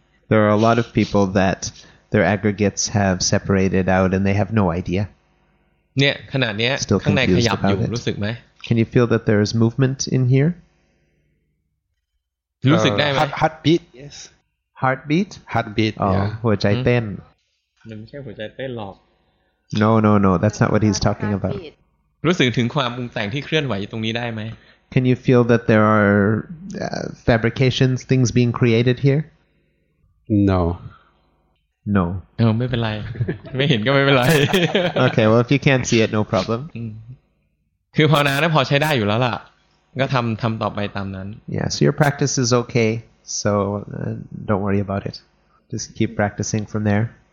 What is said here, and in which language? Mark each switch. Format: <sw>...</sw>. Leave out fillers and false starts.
<en>There are a lot of people that their aggregates have separated out and they have no idea.</en> <th>เนี่ยขนาดเนี้ยข้างในขยับอยู่รู้สึกไหม</th> <en>Can you feel that there is movement in here?</en> <th>รู้สึกได้ไหม</th> <en>Heartbeat, yes. Heartbeat, yeah.</en> <th>หัวใจเต้น มันไม่ใช่หัวใจเต้นหรอก</th> <en>No, that's not what he's talking about.</en> <th>รู้สึกถึงความปรุงแต่งที่เคลื่อนไหวอยู่ตรงนี้ได้ไหม</th> <en>Can you feel that there are fabrications, things being created here? No.</en> <th>Oh, ไม่เป็นไรไม่เห็นก็ไม่เป็นไร</th> <en>Okay, well, if you can't see it, no problem.</en> <th>คือภาวนาได้พอใช้ได้อยู่แล้วล่ะก็ทำต่อไปตามนั้น</th> <en>Yeah, so your practice is okay, so don't worry about it. Just keep practicing from there.</en>